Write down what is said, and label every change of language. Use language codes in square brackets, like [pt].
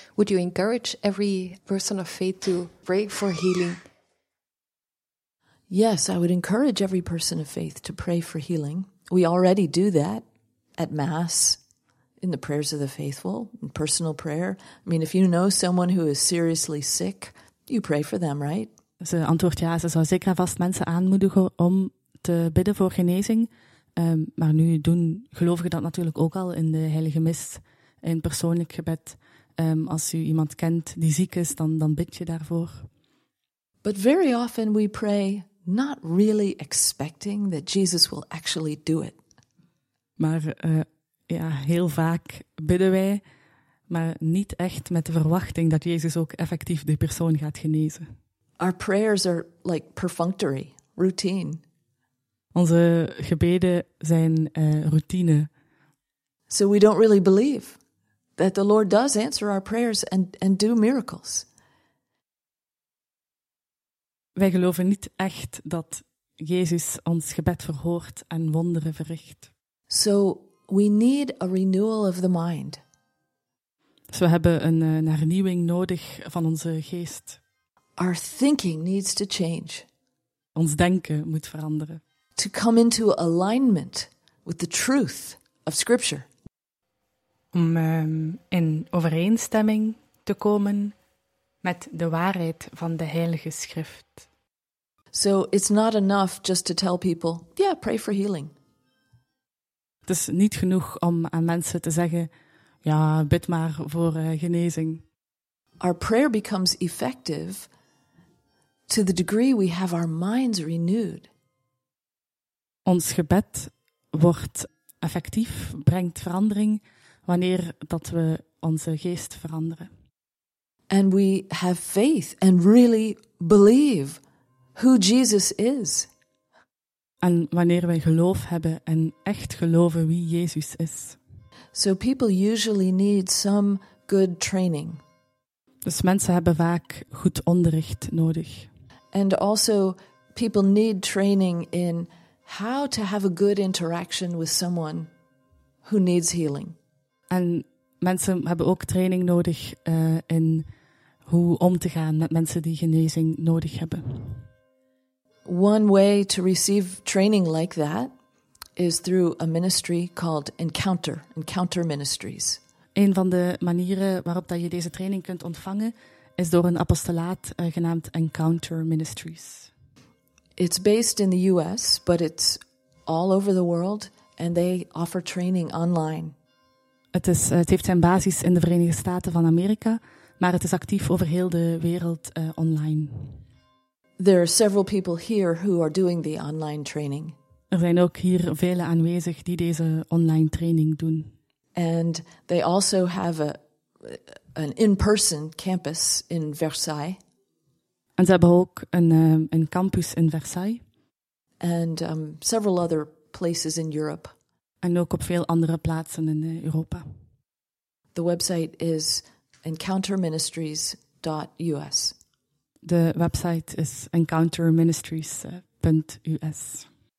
[en] Would you encourage every person of faith to pray for healing? Yes, I would encourage every person of faith to pray for healing. We already do that at Mass, in the prayers of the faithful, in personal prayer. I mean, if you know someone who is seriously sick, you pray for them, right? [nl] Ze antwoordt ja, ze zou zeker vast mensen aanmoedigen om te bidden voor genezing. Maar nu doen gelovigen dat natuurlijk ook al in de Heilige Mis, in persoonlijk gebed. Als u iemand kent die ziek is, dan bid je daarvoor. [en] But very often we pray not really expecting that Jesus will actually do it. [nl] Maar ja, heel vaak bidden wij, maar niet echt met de verwachting dat Jezus ook effectief de persoon gaat genezen. [en] Our prayers are like perfunctory, routine. [nl] Onze gebeden zijn routine. [en] So we don't really believe that the Lord does answer our prayers and do miracles. [nl] Wij geloven niet echt dat Jezus ons gebed verhoort en wonderen verricht. [en] So we need a renewal of the mind. [nl] Dus we hebben een hernieuwing nodig van onze geest. [en] Our thinking needs to change. [nl] Ons denken moet veranderen. [en] To come into alignment with the truth of Scripture. [nl] Om in overeenstemming te komen met de waarheid van de Heilige Schrift. [en] So it's not enough just to tell people, yeah, pray for healing. [nl] Het is niet genoeg om aan mensen te zeggen, ja, bid maar voor genezing. [en] Our prayer becomes effective to the degree we have our minds renewed. [nl] Ons gebed wordt effectief, brengt verandering wanneer dat we onze geest veranderen. [en] And we have faith and really believe who Jesus is. [nl] En wanneer wij geloof hebben en echt geloven wie Jezus is. [en] So people usually need some good training. [nl] Dus mensen hebben vaak goed onderricht nodig. [en] And also people need training in how to have a good interaction with someone who needs healing. [nl] En mensen hebben ook training nodig in hoe om te gaan met mensen die genezing nodig hebben. [en] One way to receive training like that is through a ministry called Encounter Ministries. [nl] Een van de manieren waarop dat je deze training kunt ontvangen is door een apostolaat genaamd Encounter Ministries. [en] It's based in the US, but it's all over the world and they offer training online. [nl] Het heeft zijn basis in de Verenigde Staten van Amerika, maar het is actief over heel de wereld online. [en] There are several people here who are doing the online training. [nl] Er zijn ook hier velen aanwezig die deze online training doen. [en] And they also have an in-person campus in Versailles. [nl] En ze hebben ook een campus in Versailles. [en] And several other places in Europe. [nl] En ook op veel andere plaatsen in Europa. [en] The website is encounterministries.us. [nl] De website is encounterministries.us.